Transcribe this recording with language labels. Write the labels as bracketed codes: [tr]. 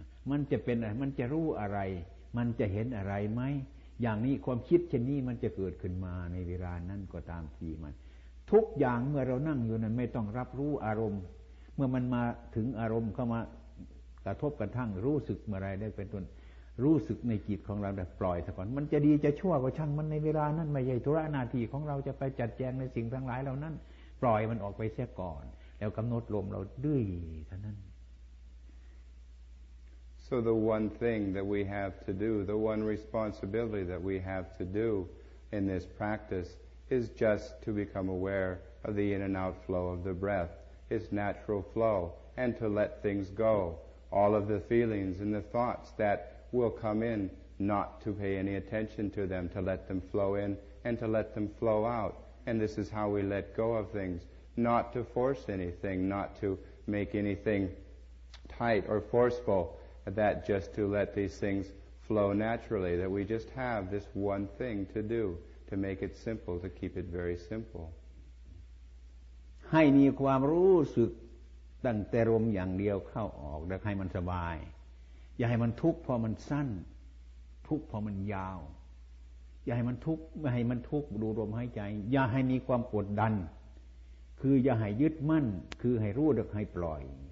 [th] มันจะเป็นอะไรมันจะรู้อะไรมันจะเห็นอะไรไหมอย่างนี้ความคิดเช่นนี้มันจะเกิดขึ้นมาในเวลานั้นก็ตามทีมันทุกอย่างเมื่อเรานั่งอยู่นั้นไม่ต้องรับรู้อารมณ์เมื่อมันมาถึงอารมณ์เข้ามากระทบกระทั่งรู้สึกอะไรได้เป็นต้นรู้สึกในจิตของเราแต่ปล่อยซะก่อนมันจะดีจะชั่วก็ช่างมันในเวลานั้นไม่ใช่ธุระหน้าที่ของเราจะไปจัดแจงในสิ่งทั้งหลายเหล่านั้นปล่อยมันออกไปเสียก่อนแล้วกำหนดลมเราดื้อเท่านั้น [en] So the one thing that we have to do, the one responsibility that we have to do in this practice is just to become aware of the in and out flow of the breath, its natural flow, and to let things go. All of the feelings and the thoughts that will come in, not to pay any attention to them, to let them flow in and to let them flow out. And this is how we let go of things, not to force anything, not to make anything tight or forceful, that just to let these things flow naturally, that we just have this one thing to do, to make it simple, to keep it very simple. [th] ให้มีความรู้สึกตั้งแต่ลมอย่างเดียวเข้าออกให้มันสบายอย่าให้มันทุกข์เพราะมันสั้นทุกข์เพราะมันยาวอย่าให้มันทุกข์ไม่ให้มันทุกข์ดูลมหายใจอย่าให้มีความกดดันคืออย่าให้ยึดมั่นคือให้รู้ดึกให้ปล่อย